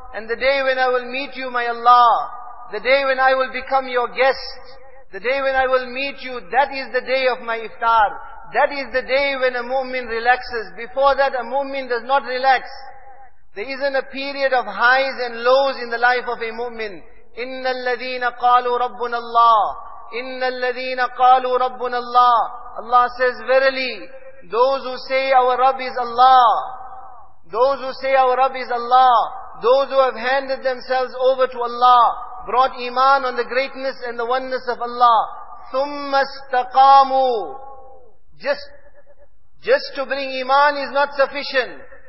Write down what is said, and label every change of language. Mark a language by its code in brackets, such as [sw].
[en] And the day when I will meet you, my Allah, the day when I will become your guest, the day when I will meet you, that is the day of my iftar. That is the day when a mu'min relaxes. Before that, a mu'min does not relax. There isn't a period of highs and lows in the life of a mu'min. [ar] إِنَّ الَّذِينَ قَالُوا رَبُّنَ اللَّهِ إِنَّ الَّذِينَ قَالُوا رَبُّنَ اللَّهِ. [en] Allah says, verily, Those who say our Rabb is Allah. Those who say our Rabb is Allah. Those who have handed themselves over to Allah. Brought iman on the greatness and the oneness of Allah. [ar] ثُمَّ اسْتَقَامُوا [en] Just to bring iman is not sufficient.